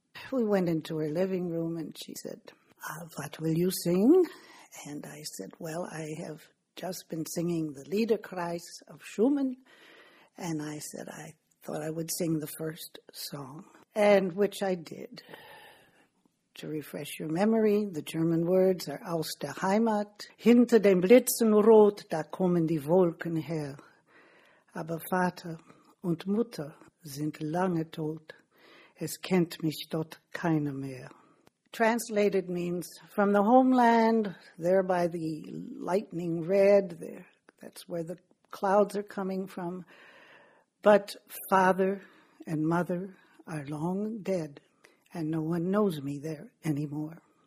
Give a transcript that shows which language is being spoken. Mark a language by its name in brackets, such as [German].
[English] We went into her living room and she said, what will you sing? And I said, well, I have just been singing the Liederkreis of Schumann. And I said, I thought I would sing the first song, and which I did. To refresh your memory, the German words are [German] aus der Heimat. Hinter dem Blitzen rot, da kommen die Wolken her. Aber Vater und Mutter sind lange tot. Es kennt mich dort keiner mehr. [English] Translated means, from the homeland, there by the lightning red, there, that's where the clouds are coming from. But father and mother are long dead, and no one knows me there anymore.